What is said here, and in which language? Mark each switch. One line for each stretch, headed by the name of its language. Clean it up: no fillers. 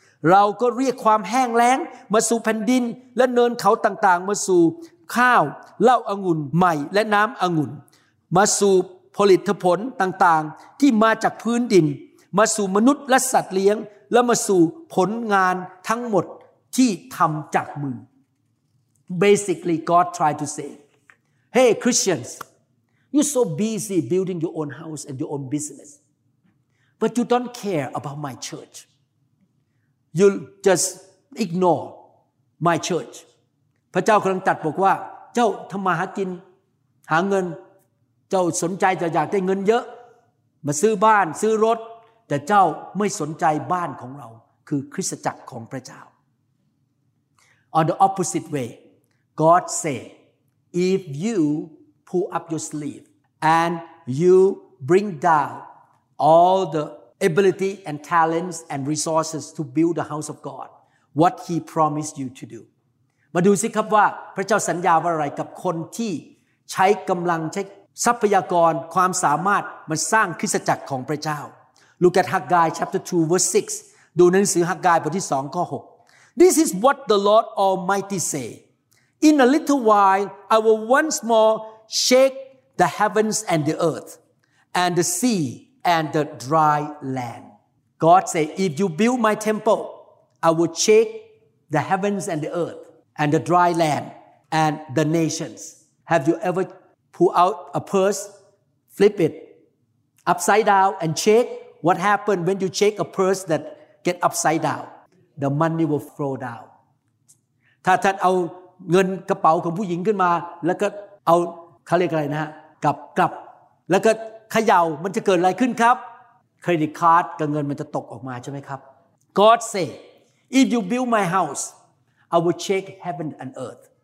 Thai: เราก็เรียกความแห้งแล้งมาสู่แผ่นดินและเนินเขาต่างๆมาสู่ข้าวเหล้าองุ่นใหม่และน้ำองุ่นมาสู่ผลิตผลต่างๆที่มาจากพื้นดินมาสู่มนุษย์และสัตว์เลี้ยงและมาสู่ผลงานทั้งหมดที่ทำจากมือ
English: Basically, God tried to say, Hey, Christians. You're so busy building your own house and your own business. But you don't care about my church. You just ignore my church.
Thai: พระเจ้ากำลังตรัสบอกว่าเจ้าทำมาหากินหาเงินเจ้าสนใจแต่อยากได้เงินเยอะมาซื้อบ้านซื้อรถแต่เจ้าไม่สนใจบ้านของเราคือคริสตจักรของพระเจ้า
English: On the opposite way, God say, if youPull up your sleeve, and you bring down all the ability and talents and resources to build the house of God. What he promised you to do.
Thai: มาดูสิครับว่าพระเจ้าสัญญาว่าอะไรกับคนที่ใช้กำลังใช้ทรัพยากรความสามารถมาสร้างคริสตจักรของพระเจ้า
English: Look at Haggai chapter 2 verse 6.
Thai: ดูหนังสือฮักกายบทที่2ข้อ6
English: This is what the Lord Almighty say. In a little while, I will once more shake the heavens and the earth and the sea. And the dry land. God said, if you build my temple, I will shake the heavens and the earth and the dry land and the nations. Have you ever pull out a purse, flip it upside down and shake? What happened when you shake a purse that get upside down? The money will flow down.
Thai: ถ้าท่านเอาเงินกระเป๋าของผู้หญิงขึ้นมาแล้วก็เอาเขาเรียกอะไรนะฮะกลับแล้วก็เขย่ามันจะเกิดอะไรขึ้นครับเครดิตการ์ดกับเงินมันจะตกออกมาใช่ไหมครับ
English: God say if you build my house I will shake heaven and earth